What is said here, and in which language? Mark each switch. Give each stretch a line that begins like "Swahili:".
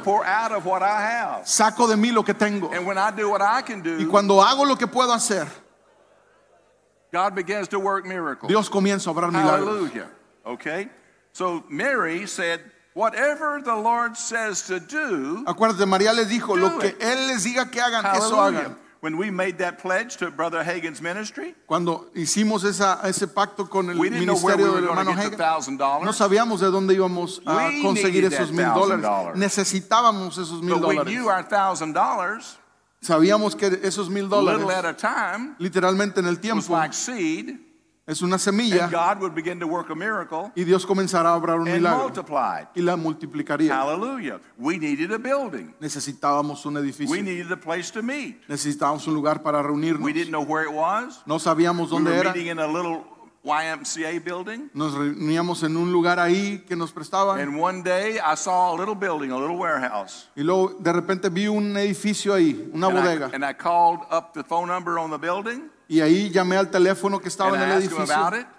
English: I pour out of what I have.
Spanish: Saco de mí lo que tengo.
English: And when I do what I can do,
Spanish: y cuando hago lo que puedo hacer,
English: God begins to work miracles.
Spanish: Dios comienza a obrar milagros.
English: Hallelujah. Okay. So Mary said, whatever the Lord says to do,
Spanish: acuérdate, María le dijo, lo que Él les diga que hagan, eso hagan.
English: When we made that pledge to Brother Hagen's ministry,
Spanish: cuando hicimos ese pacto con el ministerio del hermano Hagen, no sabíamos de dónde íbamos a conseguir esos $1,000. Necesitábamos esos $1,000.
English: But we knew our $1,000.
Spanish: Sabíamos que esos $1,000,
English: little at a time,
Spanish: literalmente en el tiempo,
English: was like seed.
Spanish: Es una semilla,
English: and God would begin to work a miracle,
Spanish: y Dios comenzará a obrar un milagro,
English: multiplied.
Spanish: Y la multiplicaría.
English: Hallelujah. We needed a building.
Spanish: Necesitábamos un edificio.
English: We needed a place to meet.
Spanish: Necesitábamos un lugar para reunirnos.
English: We didn't know where it was.
Spanish: No sabíamos dónde era. We
English: meeting in a little YMCA building.
Spanish: Nos reuníamos en un lugar ahí que nos prestaban.
English: And one day I saw a little building, a little warehouse.
Spanish: Y luego de repente vi un edificio ahí, una bodega.
English: And I called up the phone number on the building.
Spanish: Y ahí llamé al teléfono que estaba en el edificio.